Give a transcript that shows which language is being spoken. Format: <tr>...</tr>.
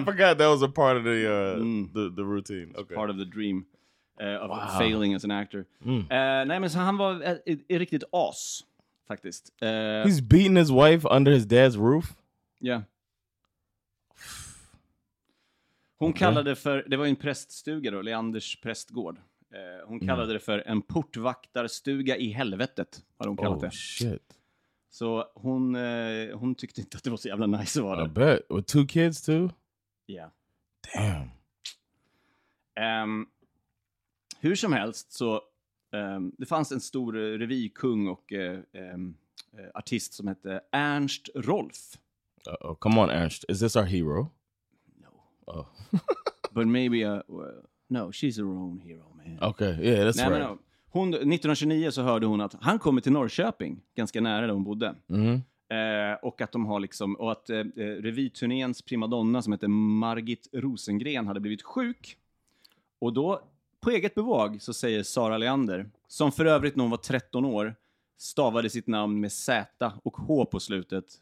<en>I forgot that was a part of the routine. Okay. Part of the dream of failing as an actor. Mm.</en> <sv>Nej, men så han var ett riktigt as, faktiskt.</sv> <en>He's beating his wife under his dad's roof? Yeah.</en> <sv>Hon kallade för, det var en präststuga då, Leanders prästgård. Hon kallade det för en portvaktarstuga i helvetet, vad hon kallade det.</sv> <en>Oh, shit.</en> <sv>Så hon tyckte inte att det var så jävla nice att vara där.</sv> <en>I bet. With two kids too? Yeah. Damn.</en> <sv>Hur som helst så det fanns en stor revykung och artist som hette Ernst Rolf.</sv> <en>Oh, come on Ernst. Is this our hero? No. Oh. But maybe no, she's her own hero, man. Okay, yeah, that's right. No.</en> <sv>Hon, 1929 så hörde hon att han kommer till Norrköping, ganska nära där hon bodde. Mm. Och att de har liksom, och att revyturnéns primadonna som heter Margit Rosengren hade blivit sjuk. Och då, på eget bevåg, så säger Zarah Leander, som för övrigt när hon var 13 år, stavade sitt namn med Z och H på slutet.</sv>